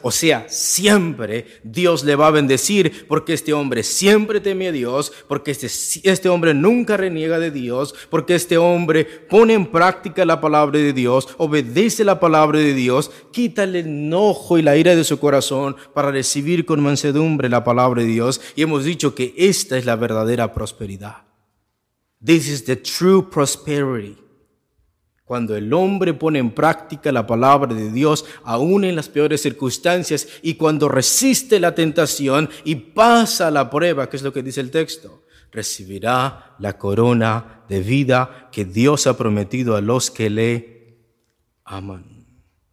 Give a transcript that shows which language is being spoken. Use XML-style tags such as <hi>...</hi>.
<es>O sea, siempre Dios le va a bendecir, porque este hombre siempre teme a Dios, porque este hombre nunca reniega de Dios, porque este hombre pone en práctica la palabra de Dios, obedece la palabra de Dios, quita el enojo y la ira de su corazón para recibir con mansedumbre la palabra de Dios. Y hemos dicho que esta es la verdadera prosperidad.</es> <en>This is the true prosperity.</en> <es>Cuando el hombre pone en práctica la palabra de Dios, aún en las peores circunstancias, y cuando resiste la tentación y pasa la prueba, que es lo que dice el texto, recibirá la corona de vida que Dios ha prometido a los que le aman.</es>